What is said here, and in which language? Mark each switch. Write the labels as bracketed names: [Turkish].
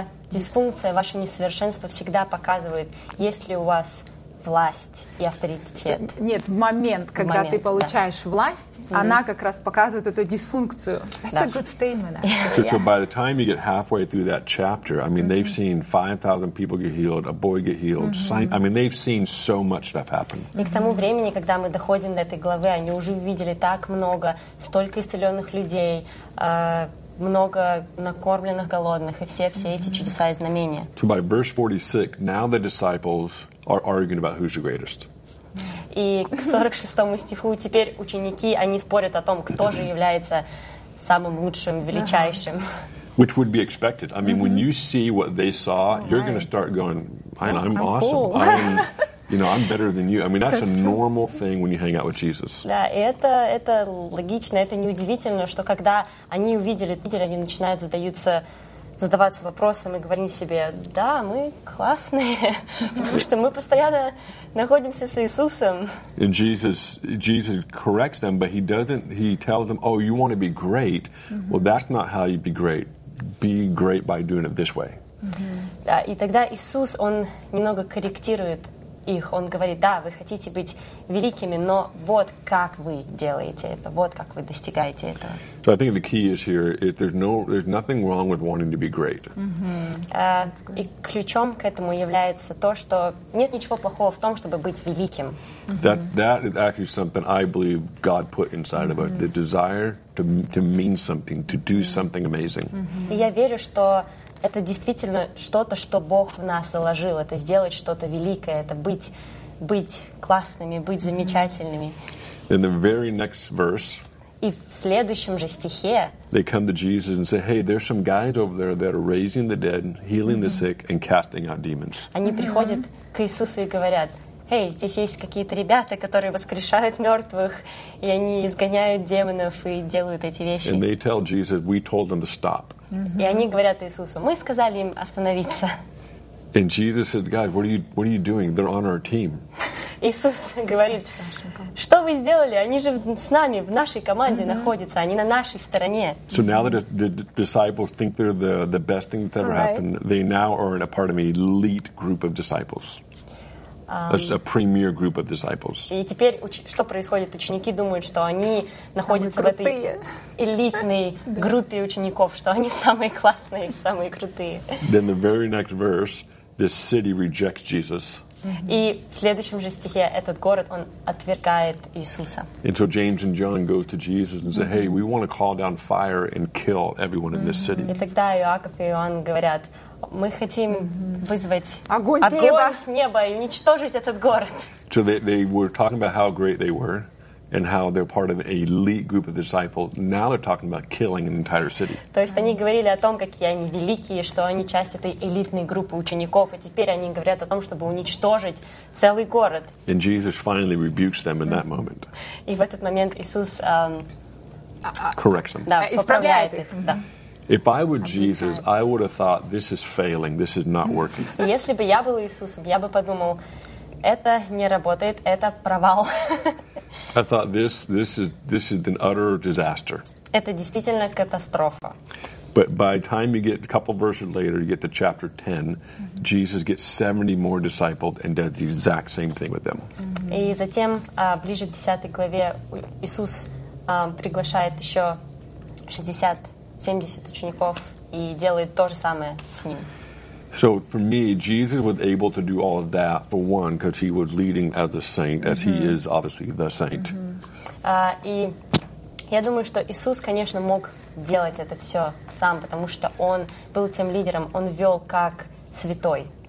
[Russian] Дисфункция, ваше несовершенство всегда показывает, есть ли у вас власть и авторитет. Нет, в момент, когда ты получаешь власть, она как раз показывает эту дисфункцию. [English] That's a good statement, actually. So, by the time you get halfway through that chapter, I mean, they've seen 5,000 people get healed, a boy get healed. I mean, they've seen so much stuff happen. [Russian] И к тому времени, когда мы доходим до этой главы, они уже увидели так много, столько исцеленных людей, много накормленных голодных и все эти чудеса и знамения. [English] So by verse 46, now the disciples are arguing about who's the greatest. [Russian] И к 46 стиху теперь ученики, они спорят о том, кто же является самым лучшим, величайшим. [English] Which would be expected. I mean, when you see what they saw, you're going to start going, I'm awesome. Cool. You know, I'm better than you. I mean, that's a normal thing when you hang out with Jesus. [Russian] Да, это логично, это неудивительно, что когда они увидели, они начинают задаваться вопросом и говорить себе, да, мы классные, потому что мы постоянно находимся с Иисусом. [English] And Jesus corrects them, but he tells them, oh, you want to be great? Well, that's not how you be great. Be great by doing it this way. [Russian] Да, и тогда Иисус, он немного корректирует их. Он говорит, да, вы хотите быть великими, но вот как вы делаете это, вот как вы достигаете этого. [English] So I think the key is here, there's nothing wrong with wanting to be great. [Russian] И ключом к этому является то, что нет ничего плохого в том, чтобы быть великим. [English] That is actually something I believe God put inside of us, the desire to mean something, to do something amazing. [Russian] И я верю, что это действительно что-то, что Бог в нас заложил. Это сделать что-то великое, это быть классными, быть замечательными. [English] In the very next verse, [Russian] и в следующем же стихе [English] they come to Jesus and say, hey, there's some guys over there that are raising the dead, healing the sick, and casting out demons. [Russian] Они приходят к Иисусу и говорят, эй, здесь есть какие-то ребята, которые воскрешают мертвых, и они изгоняют демонов и делают эти вещи. [English] And they tell Jesus, we told them to stop. [Russian] И они говорят Иисусу, мы сказали им остановиться. [English] And Jesus said, guys, what are you doing? They're on our team. [Russian] Иисус говорит, что вы сделали? Они же с нами, в нашей команде находятся, они на нашей стороне. [English] So now that the disciples think they're the best thing that's ever happened, they now are in a part of an elite group of disciples. A premier group of disciples. [Russian] И теперь что происходит? Ученики думают, что они находятся в этой элитной группе учеников, что они самые классные, самые крутые. [English] Then the very next verse, this city rejects Jesus. [Russian] И в следующем же стихе этот город, он отвергает Иисуса. [English] And so James and John go to Jesus and say, hey, we want to call down fire and kill everyone in this city. [Russian] И тогда Иаков и Иоанн говорят, мы хотим вызвать огонь с неба и уничтожить этот город. [English] So they were talking about how great they were and how they're part of an elite group of disciples. Now they're talking about killing an entire city. [Russian] То есть они говорили о том, какие они великие, что они часть этой элитной группы учеников, и теперь они говорят о том, чтобы уничтожить целый город. [English] And Jesus finally rebukes them in that moment. [Russian] И в этот момент Иисус [English] corrects them. [Russian] Да, исправляет их. Да. [English] If I were Jesus, I would have thought, this is failing, this is not working. [Russian] Если бы я был Иисусом, я бы подумал, это не работает, это провал. [English] I thought, this is an utter disaster. [Russian] Это действительно катастрофа. [English] But by the time you get a couple verses later, you get to chapter 10, Jesus gets 70 more disciples and does the exact same thing with them. [Russian] И затем, ближе к 10 главе, Иисус приглашает еще 70 учеников и делает то же самое с ним. [English] So for me, Jesus was able to do all of that for one, because he was leading as a saint, as he is obviously the saint. [Russian] И Я думаю, что Иисус, конечно, мог делать это все сам, потому что Он был тем лидером, Он вел как святой.